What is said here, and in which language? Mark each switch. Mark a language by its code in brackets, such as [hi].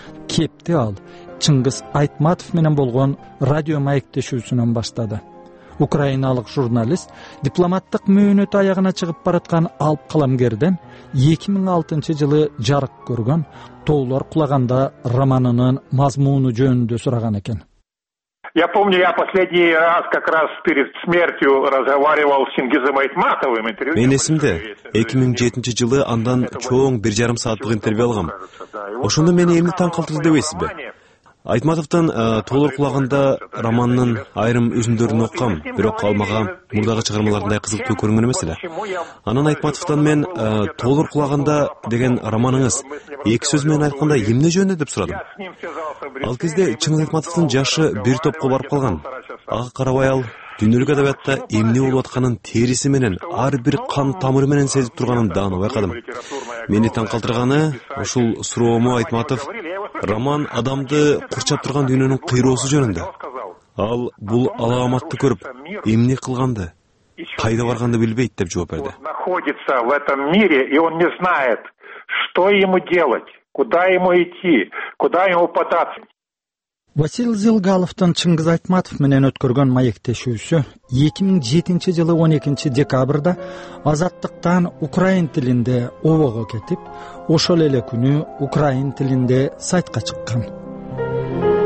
[ky] Кепти ал Чыңгыз Айтматов менен болгон радио маектешүүсүнөн баштады. Украиналык журналист дипломаттык мөөнөтү аягына чыгып бараткан алып каламкерден 2006 жылы жарык көргөн Тоолор кулаганда романынын мазмуну жөнүндө сураган экен. [ru] Я помню, я последний раз как раз перед смертью разговаривал с Чингизом Айтматовым. [ky] Мен эсимде 2007 жылы андан чоң 1.5 сааттык интервью алгам. Ошондо мени эмне таң калтырды дебейсизби? Айтматовдон Тоолор кулаганда романынын айрым үзүндөрүн оккам, бирок ал мага мурдагы чыгармаларындай кызыктуу көрүнгөн эмес эле. Анан Айтматовдон мен Тоолор кулаганда деген романыңыз эки сөз менен айтканда эмне жөнүндө деп сурадым. Ал кезде Чыңгыз Айтматовдун жашы бир топко барып калган. Ага карабай ал дүйнөлүк адабиятта эмне болуп атканын териси менен ар бир кан тамыры менен сезип турганын даана байкадым. Мени таң калтырганы ушул суроому Айтматов роман адамды курчап турган дүйнөнүн кыйроосу жөнүндө. Ал бул алааматты көрүп эмне кылганды, кайда барганды билбейт деп жооп берди. [ru] Находится в этом мире и он не знает, что ему делать, куда ему идти, куда ему податься. [ky] Василий Зылгаловдун Чыңгыз Айтматов менен өткөргөн маектешүүсү 2007 жылы 12 декабрда Азаттыктан украин тилинде обого кетип, ошол эле күнү украин тилинде сайтка чыккан.